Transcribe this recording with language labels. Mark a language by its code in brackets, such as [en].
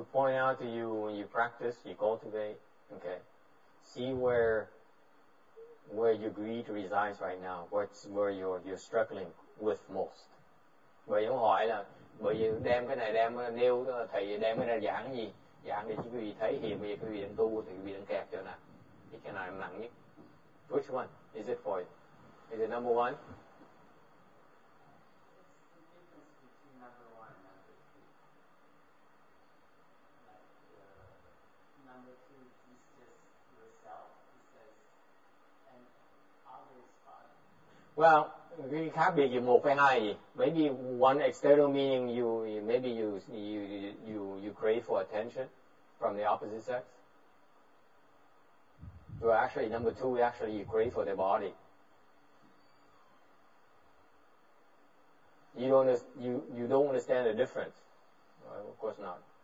[en] To point out to you when you practice, you cultivate, okay. See where your greed resides right now, what's where you're struggling with most. [vi] Vậy ông hỏi là bởi vì đem cái này đem nêu thầy đem cái này giảng gì giảng để quý vị thấy hiện bây giờ quý vị đang tu thì quý vị đang kẹp chỗ nào thì cái này nặng nhất. [en] Which one is it for you? Is it number one? [vi] Well, cái khác biệt gì một với hai gì? [en] Maybe one external meaning you crave for attention from the opposite sex. Well, actually number two, actually you crave for the body. You don't understand the difference. Well, of course not.